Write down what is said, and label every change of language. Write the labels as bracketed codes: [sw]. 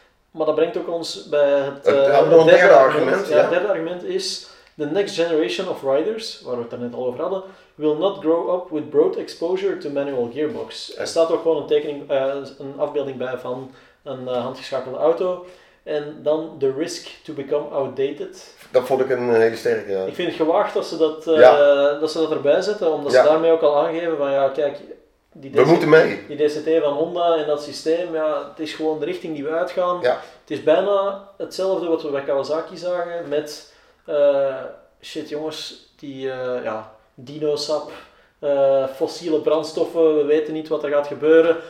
[nl] Maar dat brengt ook ons bij het derde argument. Het derde argument is, [en] The next generation of riders, [nl] waar we het daarnet al over hadden, [en] will not grow up with broad exposure to manual gearbox. [nl] Er staat ook gewoon een tekening, een afbeelding bij van een handgeschakelde auto. En dan [en] the risk to become outdated. [nl] Dat vond ik een hele sterke. Ja. Ik vind het gewaagd dat ze dat, dat ze dat erbij zetten, omdat ze daarmee ook al aangeven van ja, kijk, die DCT van Honda en dat systeem, ja, het is gewoon de richting die we uitgaan. Ja. Het is bijna hetzelfde wat we bij Kawasaki zagen met shit jongens, die dino-sap, fossiele brandstoffen, we weten niet wat er gaat gebeuren.